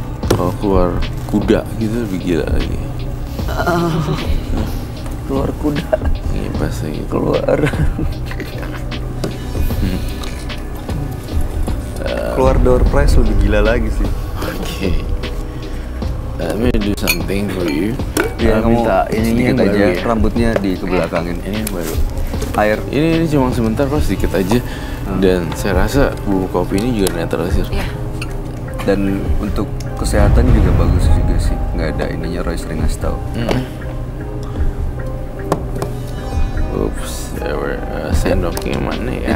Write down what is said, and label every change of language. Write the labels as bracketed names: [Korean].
[Indonesian] Kalau keluar kuda gitu lebih gila lagi. Keluar kuda. Iya pas lagi. Keluar. Keluar door prize lebih gila lagi sih. Oke. Okay. [English] Let me do something for you. [Indonesian] Iya kamu ingin aja ya. Rambutnya di kebelakangin. Ini baru. Air. Ini cuma sebentar pas sedikit aja. Dan saya rasa bubuk kopi ini juga netralisir. Iya. Dan untuk kesehatan juga bagus juga sih. Nggak ada ininya Roy sering ngasih tau. [English] Oops, there were [Indonesian] sendoknya mana ya?